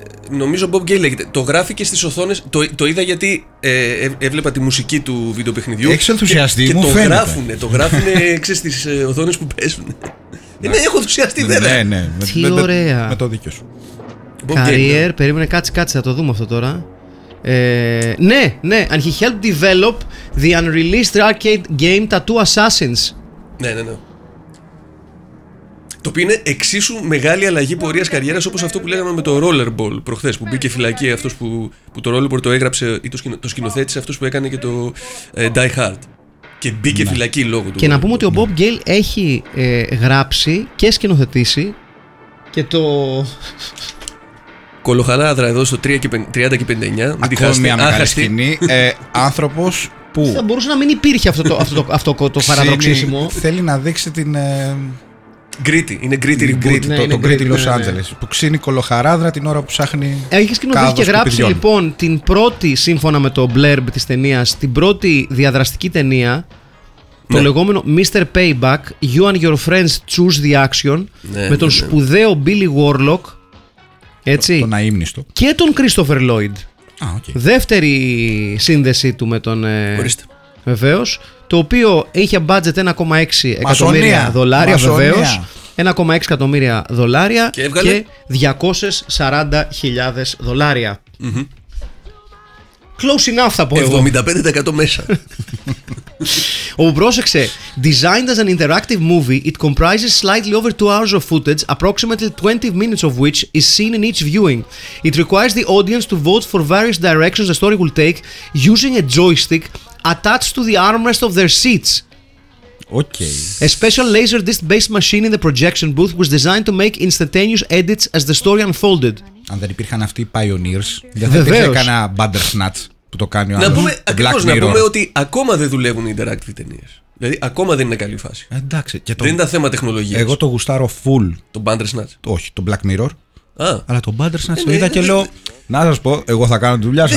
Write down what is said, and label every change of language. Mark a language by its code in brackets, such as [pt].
[el] Νομίζω Bob Gale λέγεται. Το γράφει και στις οθόνες. Το είδα γιατί έβλεπα τη μουσική του βιντεοπαιχνιδιού. Έχεις ενθουσιαστεί, και μου το φαίνεται. Γράφουνε, το γράφουνε, ξέρεις, στις οθόνες που παίζουν. Ναι, έχω ενθουσιαστεί, βέβαια. Ναι. Τι ωραία. Με το δίκιο σου. Career, περίμενε, κάτσε, θα το δούμε αυτό τώρα. Ναι. [en] And he helped develop the unreleased arcade game Tattoo Assassins. [el] Ναι. Το οποίο είναι εξίσου μεγάλη αλλαγή πορείας καριέρας, όπως αυτό που λέγαμε με το Rollerball προχθές, που μπήκε φυλακή αυτός που το Rollerball το έγραψε ή το σκηνοθέτησε αυτός που έκανε και το Die Hard. Και μπήκε φυλακή λόγω του. Και να πούμε ότι ο Bob Gale έχει γράψει και σκηνοθετήσει και το... Κολοχαράδρα εδώ στο 30 και 59. Ακόμη μια μεγάλη σκηνή. Άνθρωπος που... Θα μπορούσε να μην υπήρχε αυτό το, αυτό το παραδοξίσιμο. Θέλει να δείξει την... Gritty, είναι Gritty Reboot, ναι, το Gritty Los Angeles, ναι, ναι. Που ξύνει κολοχαράδρα την ώρα που ψάχνει. Έχει σκηνοθετήσει και γράψει λοιπόν την πρώτη, σύμφωνα με το blurb της ταινίας, την πρώτη διαδραστική ταινία, ναι. Το λεγόμενο Mr. Payback, You and Your Friends Choose the Action, ναι, με τον σπουδαίο Billy Warlock, έτσι, τον αείμνηστο, και τον Christopher Lloyd. Α, okay. Δεύτερη σύνδεσή του με τον... Ορίστε. Βεβαίως. Το οποίο είχε budget 1,6 εκατομμύρια δολάρια, βεβαίως. 1,6 εκατομμύρια δολάρια και, έβγαλε... και 240.000 δολάρια. Mm-hmm. [en] Close enough [el] θα πω 75% μέσα. Όπου πρόσεξε, [en] designed as an interactive movie, it comprises slightly over 2 hours of footage, approximately 20 minutes of which is seen in each viewing. It requires the audience to vote for various directions the story will take using a joystick attached to the armrest of their seats. Okay. A special laser disc based machine in the projection booth was designed to make instantaneous edits as the story unfolded. [el] Αν δεν υπήρχαν αυτοί οι pioneers, δεν θα υπήρχε κανένα Bandersnatch που το κάνει ο άλλος. Να πούμε, ακριβώς, να πούμε ότι ακόμα δεν δουλεύουν οι interactive ταινίες. Δηλαδή ακόμα δεν είναι καλή φάση. Εντάξει, και το... δεν ήταν θέμα τεχνολογίας. Εγώ το γουστάρω full. Το Bandersnatch. Όχι, το Black Mirror. Α. Αλλά το Bandersnatch το είδα και λέω, να σας πω, εγώ θα κάνω τη δουλειά σας.